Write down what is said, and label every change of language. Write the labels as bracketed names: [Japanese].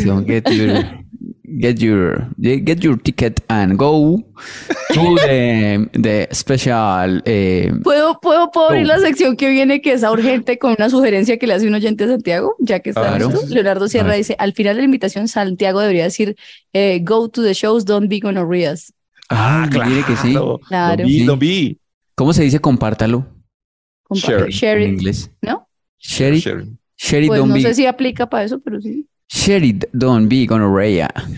[English] So get your ticket and go to the special. [Spanish] ¿Puedo abrir la sección que viene, que es urgente, con una sugerencia que le hace un oyente a Santiago, ya que está listo? Leonardo Sierra dice, al final de la invitación, Santiago debería decir, [English] go to the shows, don't be gonorrheas. [Spanish] Ah, claro. Que sí. Claro. [English] Don't be. [Spanish] ¿Cómo se dice compártalo? [English] Share it. [Spanish] En inglés. ¿No? [English] Share it, [Spanish] pues, [English] don't [Spanish] no [English] be. [Spanish] No sé si aplica para eso, pero sí. [English] Sherid, don't be gonorrhea.